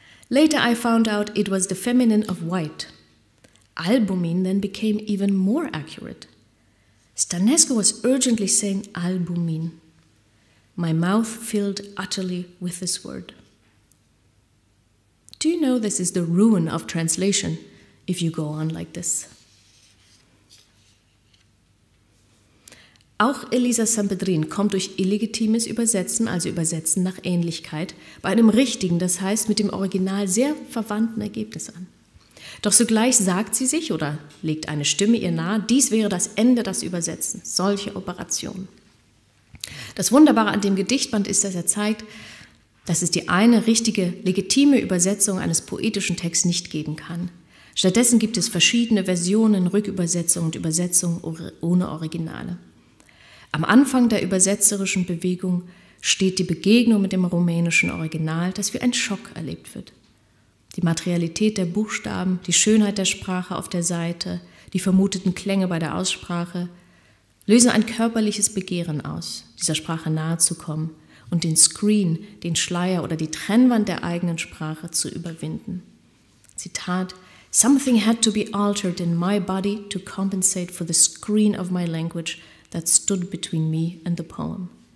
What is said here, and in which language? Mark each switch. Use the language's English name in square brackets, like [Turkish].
[English] Later I found out it was the feminine of white. Albumin then became even more accurate. Stănescu was urgently saying albumin. My mouth filled utterly with this word. Do you know this is the ruin of translation if you go on like this? [German] Auch Elisa Sanpedrin kommt durch illegitimes Übersetzen, also Übersetzen nach Ähnlichkeit, bei einem richtigen, das heißt mit dem Original sehr verwandten Ergebnis an. Doch sogleich sagt sie sich oder legt eine Stimme ihr nahe, dies wäre das Ende des Übersetzens, solche Operationen. Das Wunderbare an dem Gedichtband ist, dass er zeigt, dass es die eine richtige, legitime Übersetzung eines poetischen Texts nicht geben kann. Stattdessen gibt es verschiedene Versionen, Rückübersetzungen und Übersetzungen ohne Originale. Am Anfang der übersetzerischen Bewegung steht die Begegnung mit dem rumänischen Original, das wie ein Schock erlebt wird. Die Materialität der Buchstaben, die Schönheit der Sprache auf der Seite, die vermuteten Klänge bei der Aussprache lösen ein körperliches Begehren aus, dieser Sprache nahe zu kommen und den Screen, den Schleier oder die Trennwand der eigenen Sprache zu überwinden. [English] Zitat: Something had to be altered in my body to compensate for the screen of my language that stood between me and the poem.